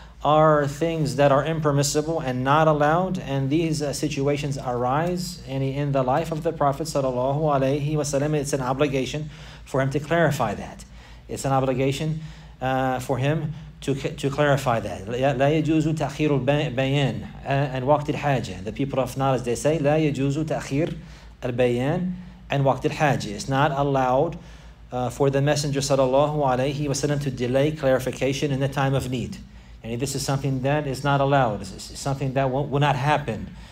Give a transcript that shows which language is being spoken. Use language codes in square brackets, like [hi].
[en] are things that are impermissible and not allowed, and these situations arise in the life of the Prophet sallallahu alaihi wasallam. It's an obligation for him to clarify that. It's an obligation for him to clarify that. [ar] لا يجوز تأخير البيان and وقت الحاجة. [en] The people of knowledge, they say [ar] لا يجوز تأخير البيان [en] and [ar] وقت الحاجة. [en] It's not allowed for the Messenger sallallahu alaihi wasallam to delay clarification in the time of need. And this is something that is not allowed. It's something that will not happen.